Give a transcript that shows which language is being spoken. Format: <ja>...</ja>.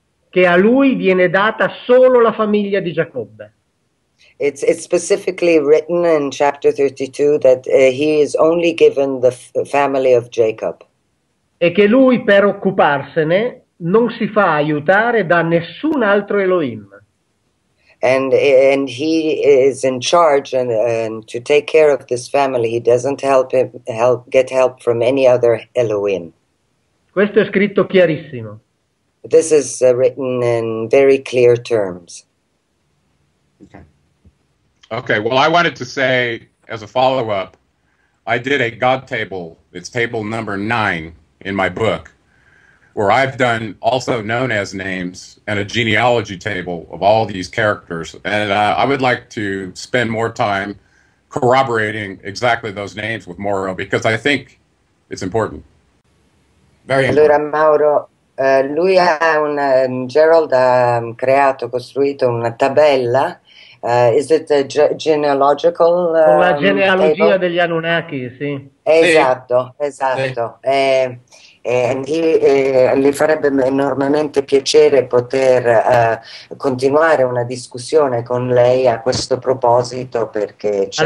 <it>Che a lui viene data solo la famiglia di Giacobbe.</it> <en>It's specifically written in chapter 32 that he is only given the family of Jacob.</en> <it>E che lui per occuparsene non si fa aiutare da nessun altro Elohim.</it> <en>And he is in charge and to take care of this family. He doesn't get help from any other Elohim.</en> <it>Questo è scritto chiarissimo.</it> <en>This is written in very clear terms. Okay, well, I wanted to say, as a follow-up, I did a God table. It's table number 9 in my book, where I've done also known as names and a genealogy table of all these characters. And I would like to spend more time corroborating exactly those names with Mauro, because I think it's important. Very important.</en> <it>Allora, Mauro, lui ha una, Gerald ha creato, costruito una tabella.</it> <en>Is it a genealogical?</en> <it>La genealogia degli Anunnaki, sì. Esatto, sì. Esatto. Sì. gli farebbe enormemente piacere poter continuare una discussione con lei a questo proposito, perché c'è</it>